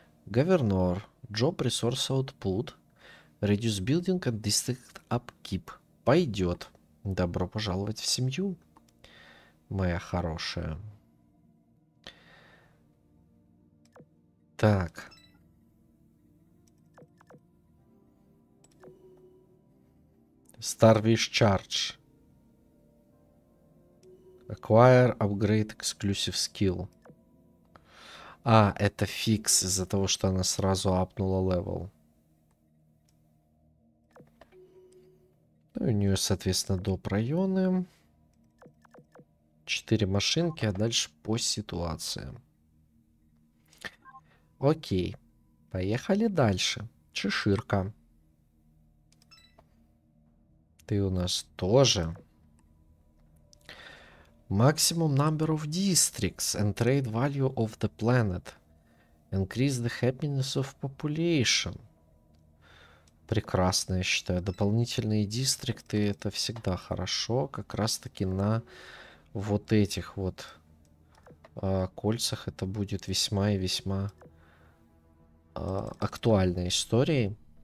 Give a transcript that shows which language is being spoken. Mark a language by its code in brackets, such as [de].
[en] Governor, Job Resource Output, Reduce Building and District Upkeep. [ru] Пойдет. Добро пожаловать в семью, моя хорошая. Так. [en] Starvish Charge. Acquire Upgrade Exclusive Skill. [ru] А, это фикс из-за того, что она сразу апнула левел. Ну, у нее, соответственно, доп. Районы. Четыре машинки, а дальше по ситуациям. Окей. Поехали дальше. Чеширка. Ты у нас тоже. [en] Maximum number of districts and trade value of the planet. Increase the happiness of population. [ru] Прекрасно, я считаю. Дополнительные дистрикты — это всегда хорошо. Как раз таки на вот этих вот кольцах это будет весьма и весьма актуальной историей.